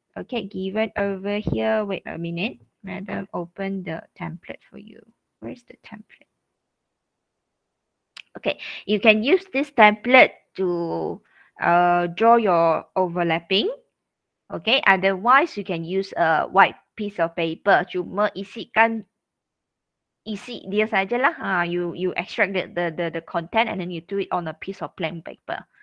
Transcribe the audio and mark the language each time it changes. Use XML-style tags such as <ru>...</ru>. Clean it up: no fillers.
<en>Okay, given over here. Wait a minute. Madam, open the template for you. Where's the template? Okay, you can use this template to draw your overlapping. Okay, otherwise you can use a white piece of paper.</en> <ms>Cuma isikan, isi dia sajalah.</ms> <en>You extract the content and then you do it on a piece of blank paper.</en>